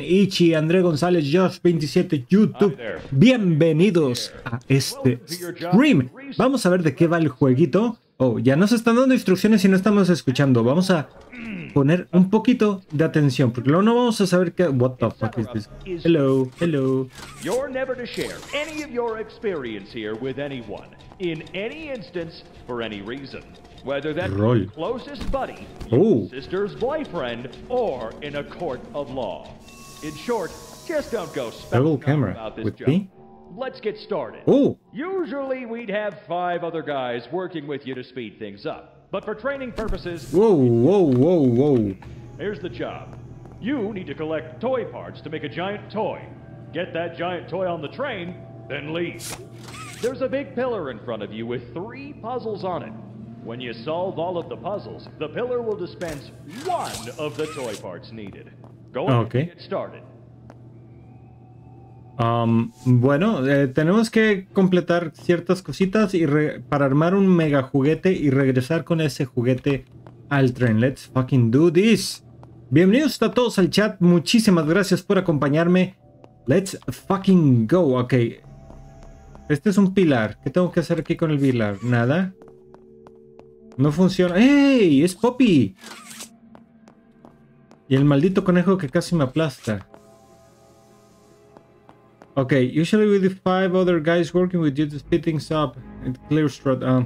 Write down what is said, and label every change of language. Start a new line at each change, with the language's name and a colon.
Spanish: Ichi, André González, Josh27, YouTube, bienvenidos a este stream. Vamos a ver de qué va el jueguito. Oh, ya nos están dando instrucciones y no estamos escuchando. Vamos a poner un poquito de atención, porque luego no vamos a saber qué.
English: What the fuck is this? Hello, hello. You're never to share any of your experience here with anyone, in any instance, for any reason. Whether that's your closest buddy, your sister's boyfriend, or in a court of law. In short, just don't go spouting about this job. Let's get started. Ooh. Usually we'd have five other guys working with you to speed things up. But for training purposes... Whoa. Here's the job. You need to collect toy parts to make a giant toy. Get that giant toy on the train, then leave. There's a big pillar in front of you with three puzzles on it. When you solve all of the puzzles, the pillar will dispense one of the toy parts needed. Go ahead and get started.
Spanish: Bueno, tenemos que completar ciertas cositas y para armar un mega juguete y regresar con ese juguete al tren.
English: Let's fucking do this.
Spanish: Bienvenidos a todos al chat. Muchísimas gracias por acompañarme.
English: Let's fucking go.
Spanish: Ok. Este es un pilar. ¿Qué tengo que hacer aquí con el pilar? Nada. No funciona. ¡Ey! ¡Es Poppy! Y el maldito conejo que casi me aplasta.
English: Okay, usually with the five other guys working with you to speed things up and clear strut.